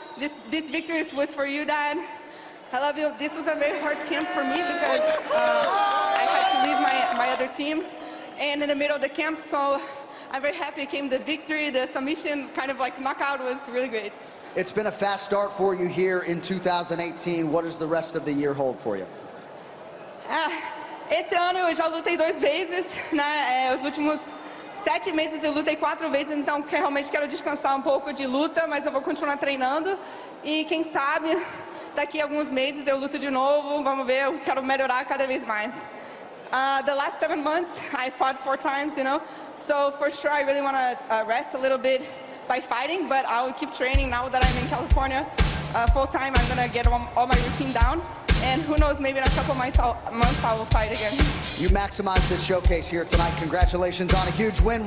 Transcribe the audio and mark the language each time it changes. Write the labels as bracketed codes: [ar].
[en] This victory was for you, Dad. I love you. This was a very hard camp for me because I had to leave my other team. And in the middle of the camp, so I'm very happy it came the victory. The submission, kind of like knockout, was really great. It's been a fast start for you here in 2018. What does the rest of the year hold for you? [pt] Esse ano eu já lutei 2 vezes, né? Os últimos 7 meses eu lutei 4 vezes, então realmente quero descansar um pouco de luta, mas eu vou continuar treinando. E quem sabe, daqui a alguns meses eu luto de novo, vamos ver, eu quero melhorar cada vez mais. [en] The last 7 months, I fought 4 times, you know? So for sure I really want to rest a little bit by fighting, but I'll keep training now that I'm in California full time. I'm going to get all my routine down. And who knows, maybe in a couple months I will fight again. You maximized this showcase here tonight. Congratulations on a huge win.